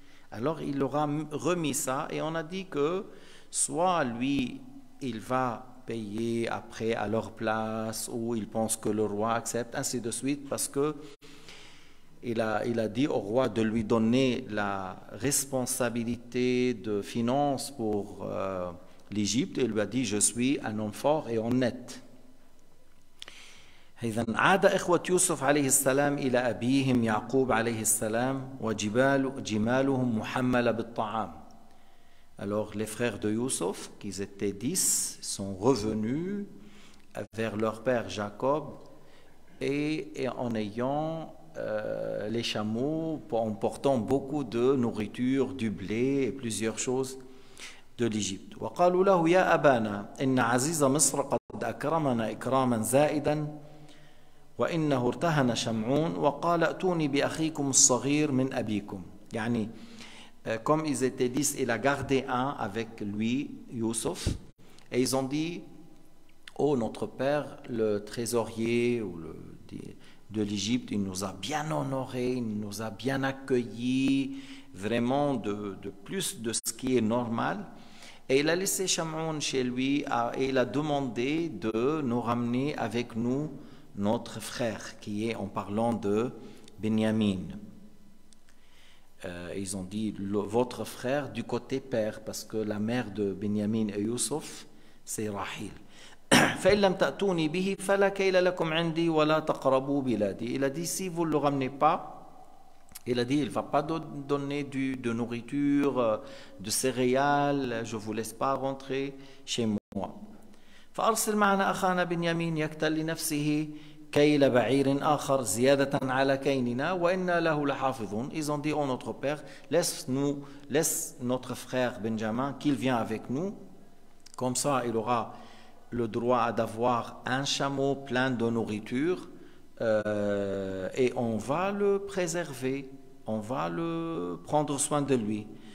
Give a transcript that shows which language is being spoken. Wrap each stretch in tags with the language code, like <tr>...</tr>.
<fr>Alors il aura remis ça et on a dit que soit lui, il va payer après à leur place, ou il pense que le roi accepte, ainsi de suite, parce que il a dit au roi de lui donner la responsabilité de finance pour l'Égypte. Il lui a dit: je suis un homme fort et honnête.</fr> <ar>إذن عاد إخوة يوسف عليه السلام إلى أبيهم يعقوب عليه السلام وجمالهم محملة بالطعام.</ar> <fr>Alors les frères de Youssef, qui étaient 10, sont revenus vers leur père Jacob et en ayant les chameaux, en portant beaucoup de nourriture, du blé et plusieurs choses de l'Égypte.</fr> <ar>وقالوا له يا أبانا إن عزيز مصر قد أكرمنا إكراما زائدا وإنه ارتهن شمعون وقال أتوني بأخيكم الصغير من أبيكم.</ar> <fr>يعني comme ils étaient 10, il a gardé un avec lui, Youssef, et ils ont dit: oh, notre père, le trésorier de l'Égypte, il nous a bien honorés, il nous a bien accueillis, vraiment de plus de ce qui est normal. Et il a laissé Shamoun chez lui et il a demandé de nous ramener avec nous notre frère, qui est, en parlant de Benjamin. Ils ont dit votre frère du côté père, parce que la mère de Benjamin et Youssef, c'est Rahil.</fr> <ar>فإن لم تأتوني به فلا كيل لكم عندي ولا تقربوا بلادي.</ar> <fr>Il a dit si vous ne le ramenez pas, il a dit il ne va pas donner de nourriture, de céréales, je ne vous laisse pas rentrer chez moi.</fr> <ar>فأرسل معنا أخانا بنيامين يكتل لنفسه كيل بعير آخر زيادة على كيننا وإنا له لحافظون.</ar> <fr>Ils ont dit oh notre père, laisse notre frère Benjamin qu'il vient avec nous, comme ça il aura le droit d'avoir un chameau plein de nourriture et on va le préserver, on va le prendre soin de lui.</fr>